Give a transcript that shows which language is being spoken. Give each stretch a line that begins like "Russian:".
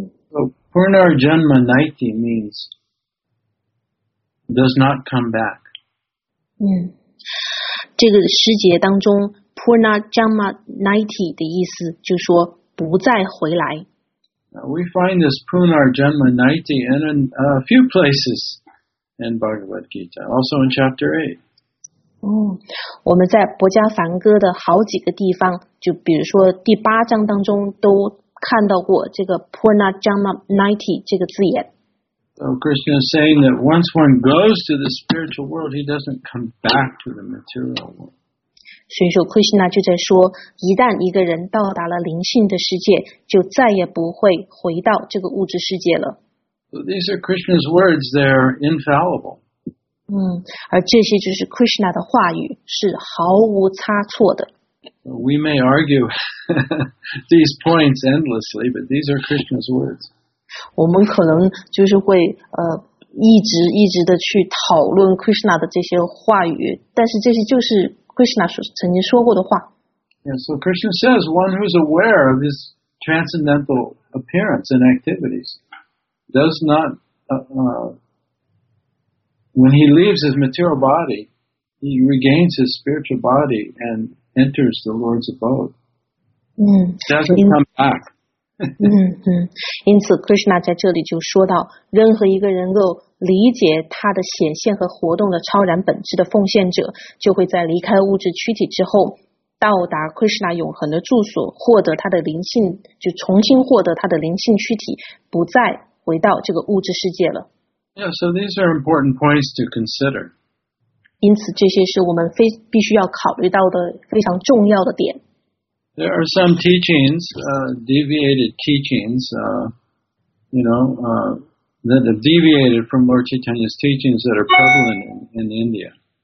English: So punar janma naiti means does not come back.
Chinese: 这个诗节当中 Purna Janma Naiti 的意思就是说不再回来。
English: We find this Purna Janma Naiti in a few places in Bhagavad Gita, also in chapter 8.
Chinese: 我们在薄伽梵歌的好几个地方，就比如说第八章当中都看到过这个 Purna Janma Naiti 这个字眼。
English: So Krishna is saying that once one goes to the spiritual world, he doesn't come back to the material world.
Chinese: 所以说 Krishna 就在说，一旦一个人到达了灵性的世界，就再也不会回到这个物质世界了。
English: So these are Krishna's words, they're infallible.
Chinese: 而这些就是 Krishna 的话语，是毫无差错的。
English: We may argue these points endlessly, but these are Krishna's words.
Chinese: 我们可能就是会一直一直的去讨论 Krishna 的这些话语，但是这些就是 Krishna 曾经说过的话。
English: Yeah, so Krishna says, one who is aware of his transcendental appearance and activities does not, when he leaves his material body, he regains his spiritual body and enters the Lord's abode. Doesn't come back.
Chinese: 因此 Krishna 在这里就说到，任何一个能够理解他的显现和活动的超然本质的奉献者，就会在离开物质躯体之后到达 Krishna 永恒的住所，获得他的灵性，就重新获得他的灵性躯体，不再回到这个物质世界了。
English: Yeah, so these are important points to consider.
Chinese: 因此这些是我们必须要考虑到的非常重要的点。
English: There are some teachings, deviated teachings, that have deviated from Lord Chaitanya's teachings that are prevalent in India.